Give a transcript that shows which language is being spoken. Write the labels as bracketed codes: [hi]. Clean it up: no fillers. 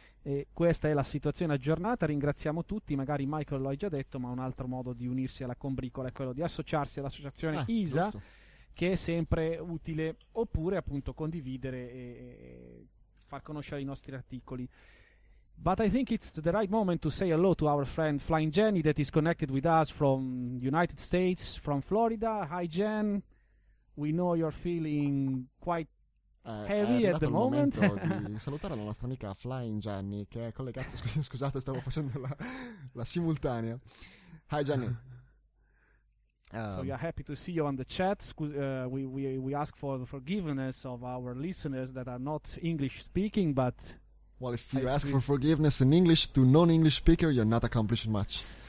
[it] E questa è la situazione aggiornata, ringraziamo tutti, magari Michael lo ha già detto, ma un altro modo di unirsi alla combricola è quello di associarsi all'associazione ISA, giusto, che è sempre utile, oppure appunto condividere e far conoscere i nostri articoli. [en] But I think it's the right moment to say hello to our friend Flying Jenny that is connected with us from United States, from Florida. Hi Jen, we know you're feeling quite heavy at the moment. [it] Di salutare la nostra amica Flying Jenny che è collegata, scusate stavo facendo la simultanea. [en] Hi Jenny. So we are happy to see you on the chat. We ask for the forgiveness of our listeners that are not English speaking, but well, if you ask for forgiveness in English to non-English speaker, you're not accomplishing much.